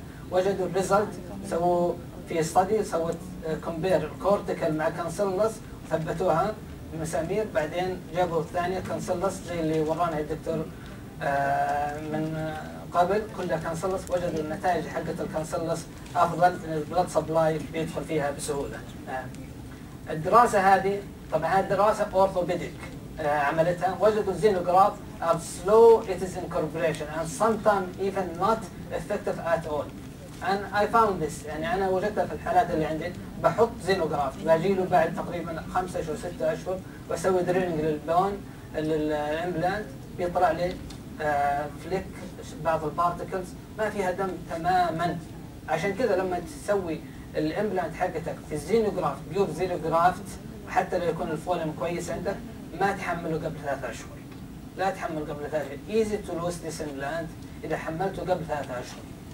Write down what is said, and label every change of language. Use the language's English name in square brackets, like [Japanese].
[Arabic] وجدوا الريزلت، سووا في ستدي سوت كومبير الكورتيكال مع كانسلس ثبتوها بمسامير، بعدين جابوا الثانيه كانسلس زي اللي ورانا الدكتور من قبل كلها كانسلس، وجدوا النتائج حقت الكانسلس افضل ان البلد سبلاي بيدخل فيها بسهوله. الدراسه هذه طبعا دراسه اورثوبيديك عملتها، وجدوا زينوغراف [English] of slow it is incorporation and sometimes even not effective at all. And I found this. [Arabic] يعني أنا وجدتها في الحالات اللي عندي بحط زينوغراف بجيله بعد تقريبا 5 أشهر 6 أشهر وأسوي درينج للبون للإمبلانت بيطلع لي فليك بعض البارتكلز ما فيها دم تماما. عشان كذا لما تسوي الإمبلانت حقتك في الزينوغراف بيوب زينوغرافت حتى لو يكون الفوليوم كويس عندك ما تحمله قبل 3 أشهر. لا تحمل قبل 3 أشهر. [English] Easy to lose this implant [Arabic] إذا حملته قبل 3 أشهر.